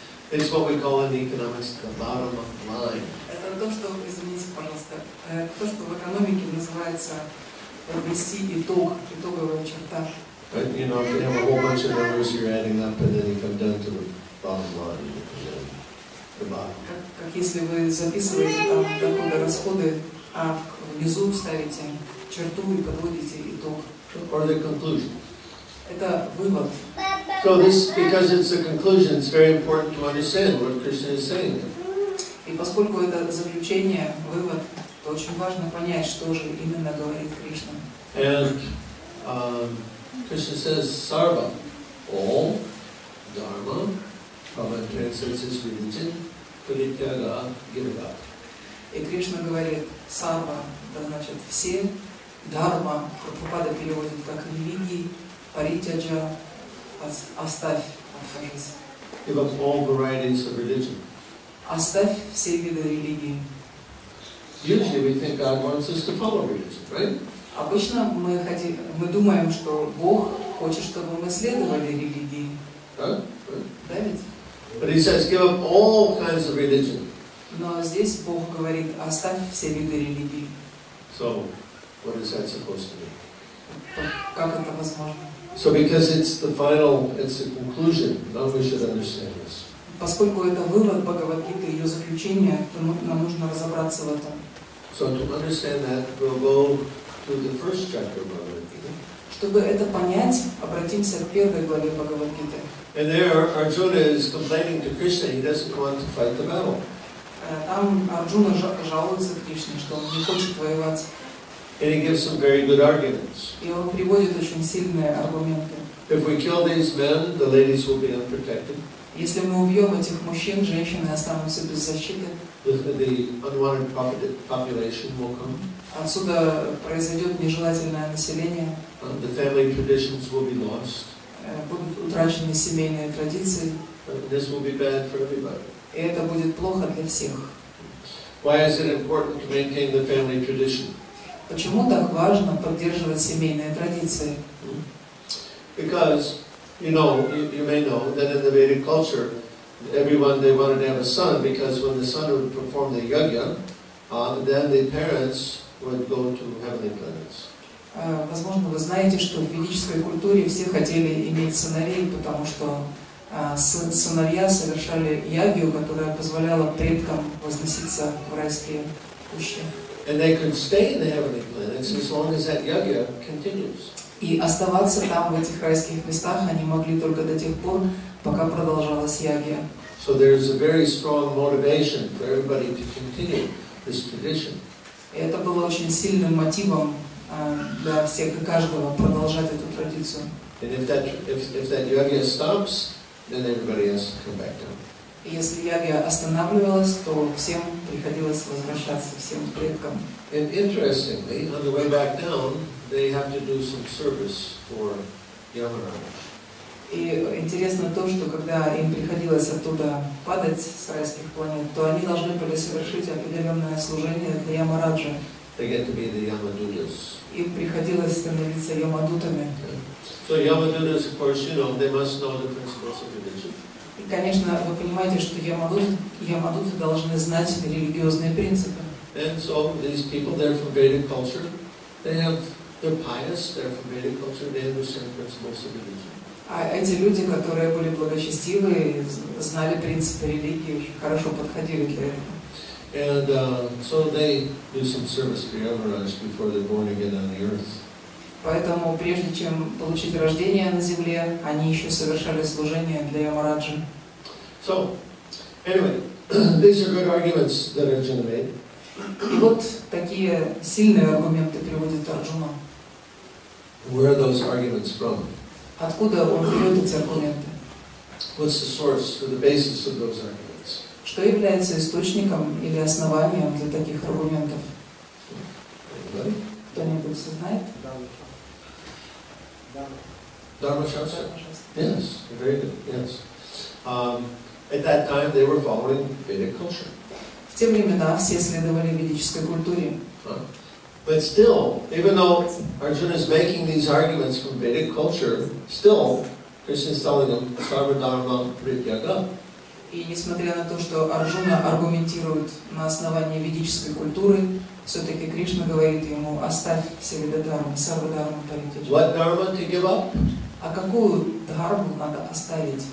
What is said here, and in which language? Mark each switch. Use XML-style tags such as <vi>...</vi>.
<en>It's what we call in economics the bottom of the line.</en> <ru>Это то, что, извините, пожалуйста, то, что в экономике называется подвести итог, итоговая черта.</ru> <en>But you know, if you have a whole bunch of numbers you're adding up, and then you come down to the bottom line, you know, the bottom.</en> <ru>Как если вы записываете там какие-то расходы, а внизу ставите черту и подводите итог.</ru> <en>Or the conclusion.</en> <ru>Это вывод.</ru> <en>So this, because it's a conclusion, it's very important to understand what Krishna is saying.</en> <ru>И поскольку это заключение, вывод, то очень важно понять, что же именно говорит Кришна.</ru> <en>And Krishna says sarva, all, dharma, Prabhupada translates his religion, pratyaga, give it up.</en> <ru>И Кришна говорит sarva, это значит все, дхарма, Прабхупада переводит как религии, паритяджа, оставь,</ru> <en>give up all varieties of religion.</en> <ru>Оставь все виды религии.</ru> <en>Usually we think God wants us to follow religion, right?</en> <ru>Обычно мы думаем, что Бог хочет, чтобы мы следовали религии. Да? Да ведь?</ru> <en>But he says, give up all kinds of religion.</en> <ru>Но здесь Бог говорит, оставь все виды религии.</ru> <en>So, what is that supposed to be?</en> <ru>Как это возможно?</ru> <en>So because it's the final, it's the conclusion, then we should understand this.</en> <ru>Поскольку это вывод Бхагавад-гиты, ее заключение, то нам нужно разобраться в этом.</ru> <en>So to understand that, we'll go to the first chapter of Бхагавад-гиты.</en> <ru>Чтобы это понять, обратимся к первой главе Бхагавад-гиты.</ru> <en>And there Arjuna is complaining to Krishna, he doesn't want to fight the battle.</en> <ru>Там Арджуна жалуется Кришне, что он не хочет воевать.</ru> <en>And he gives some very good arguments.</en> <ru>И он приводит очень сильные аргументы.</ru> <en>If we kill these men, the ladies will be unprotected.</en> <ru>Если мы убьем этих мужчин, женщины останутся без защиты.</ru> <en>The unwanted population will come.</en> <ru>Отсюда произойдет нежелательное население.</ru> <en>The family traditions will be lost.</en> <ru>Будут утрачены семейные традиции.</ru> <en>This will be bad for everybody.</en> <ru>И это будет плохо для всех.</ru> <en>Why is it important to maintain the family tradition?</en> <ru>Почему так важно поддерживать семейные традиции?</ru> <en>Because, you know, you may know that in the Vedic culture, everyone, they wanted to have a son, because when the son would perform the yajna, then the parents would go to heavenly planets.</en> <ru>Возможно, вы знаете, что в ведической культуре все хотели иметь сыновей, потому что сыновья совершали ягью, которая позволяла предкам возноситься в райские кущи.</ru> <en>And they could stay in the heavenly planets as long as that yajna continues.</en> <ru>И оставаться там в этих райских местах они могли только до тех пор, пока продолжалась ягья.</ru> <en>So there is a very strong motivation for everybody to continue this tradition.</en> <ru>И это было очень сильным мотивом для всех и каждого продолжать эту традицию.</ru> <en>And if that yajna stops, then everybody has to come back down.</en> <ru>И если ягья останавливалась, то всем приходилось возвращаться, всем предкам.</ru> <en>And interestingly, on the way back down, they have to do some service for Yamaraj.</en> <ru>И интересно то, что когда им приходилось оттуда падать с райских планет, то они должны были совершить определенное служение для Ямараджа.</ru> <en>They get to be the Yamadutas.</en> <ru>Им приходилось становиться Ямадутами.</ru> <en>Okay. So Yamadutas, of course, you know, they must know the principles of religion.</en> <ru>И, конечно, вы понимаете, что ямадуты должны знать религиозные принципы.</ru> <en>And so these people, they're from Vedic culture. They're pious, they're from Vedic culture, they understand principles of religion.</en> <ru>А эти люди, которые были благочестивы, знали принципы религии, очень хорошо подходили для этого.</ru> <en>And so they do some service for Yavaraj before they're born again on the earth.</en> <ru>Поэтому прежде чем получить рождение на земле, они еще совершали служение для Ямараджи.</ru> <en>So, anyway, these are good arguments that Arjuna made.</en> <ru>И вот такие сильные аргументы приводит Арджуна.</ru> <en>Where are those arguments from?</en> <ru>Откуда он берет эти аргументы?</ru> <en>What's the source or the basis of those arguments?</en> <ru>Что является источником или основанием для таких аргументов? Кто-нибудь знает?</ru> <en>Dharmashastra? Yes, very good, yes. At that time they were following Vedic culture.</en> <ru>В те времена все следовали ведической культуре.</ru> <en>But still, even though Arjuna is making these arguments from Vedic culture, still, Krishna is telling him, Sarva Dharma Prityaga.</en> <ru>И несмотря на то, что Арджуна аргументирует на основании ведической культуры, все-таки Кришна говорит ему, оставь все виды дхармы, сарва дхарма паритеджа.</ru> <en>What dharma to give up?</en> <ru>А какую дхарму надо оставить?</ru>